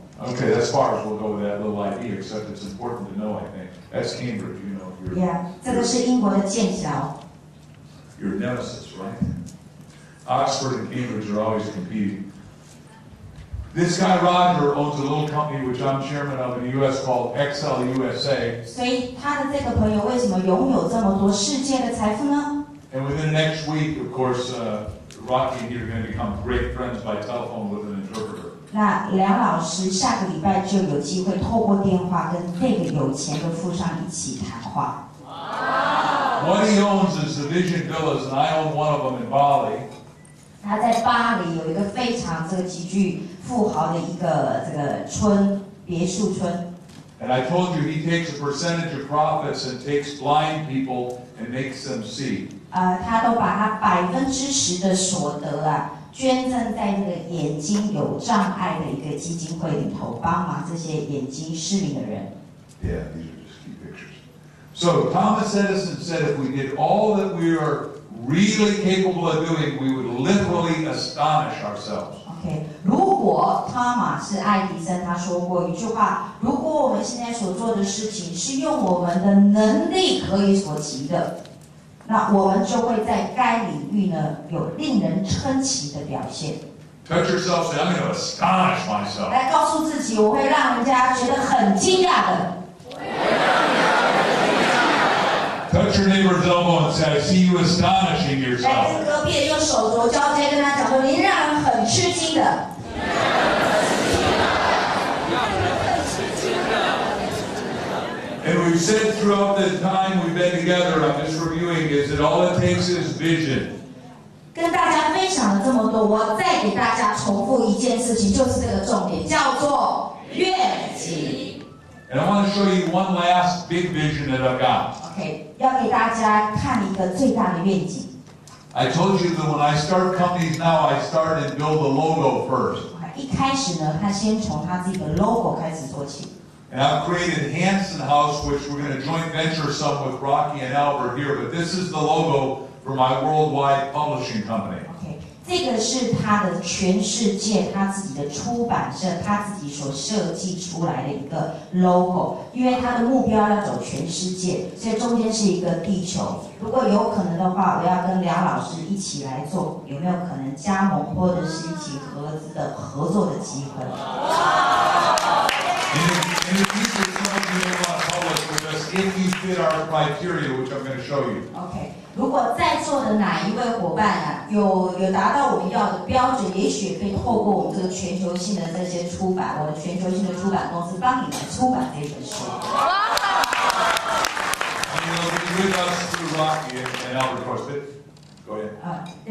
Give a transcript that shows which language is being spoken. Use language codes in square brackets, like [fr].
[en] Okay, that's far as we'll go with that little idea, except it's important to know, I think. That's Cambridge, you know. [zh] Yeah, 这个是英国的剑桥。 [en] Your nemesis, right? Oxford and Cambridge are always competing. This guy, Roger, owns a little company which I'm chairman of in the U.S. called Excel USA. [zh] 所以他的这个朋友为什么拥有这么多世界的财富呢？ [en] And within the next week, of course, Rocky and he are going to become great friends by telephone with an interpreter. [zh] 那梁老师下个礼拜就有机会透过电话跟这个有钱的富商一起谈话。 [en] What he owns is the Vision Villas, and I own one of them in Bali. [zh] 他在巴黎有一个非常这个极具富豪的一个这个村别墅村。 [en] And I told you he takes a percentage of profits and takes blind people and makes them see. [zh] 他都把他百分之十的所得啊。捐赠在这个眼睛有障碍的一个基金会里头，帮忙这些眼睛失明的人。 [en] Yeah, these are just key pictures. So Thomas Edison said, if we did all that we are really capable of doing, we would literally astonish ourselves. [zh] Okay, 如果汤马斯·爱迪生他说过一句话，如果我们现在所做的事情是用我们的能力可以所及的。那我们就会在该领域呢有令人称奇的表现。 [en] Touch yourself, say, I'm going to astonish myself. [zh] 来告诉自己，我会让人家觉得很惊讶的。 [en] Touch your neighbor's elbow and say, I see you astonishing yourself. [zh] 来跟隔壁用手肘交接，跟他讲说，您让人很吃惊的。 [en] And we've said throughout the time we've been together, I'm just reviewing, is that all it takes is vision. [zh] 跟大家分享了这么多，我再给大家重复一件事情，就是这个重点，叫做愿景。 [en] And I want to show you one last big vision that I've got. [zh] Okay, 要给大家看一个最大的愿景。 [en] I told you that when I start companies now, I start and build the logo first. [zh] 一开始呢，他先从他自己的 logo 开始做起。 [en] And I've created Hanson House, which we're going to joint venture some with Rocky and Albert here. But this is the logo for my worldwide publishing company. [zh] Okay, 这个是他的全世界他自己的出版社他自己所设计出来的一个 logo. 因为他的目标要走全世界，所以中间是一个地球。如果有可能的话，我要跟梁老师一起来做，有没有可能加盟或者是一起合资的合作的机会？ [en] In the future, some of you may want to publish with us if you fit our criteria, which I'm going to show you. Okay. [zh] 如果在座的哪一位伙伴啊，有达到我们要的标准，也许可以透过我们这个全球性的这些出版，我的全球性的出版公司帮你来出版这本书。哇！你要跟我们通过 Rocky and Albert Horstman, [en] go ahead.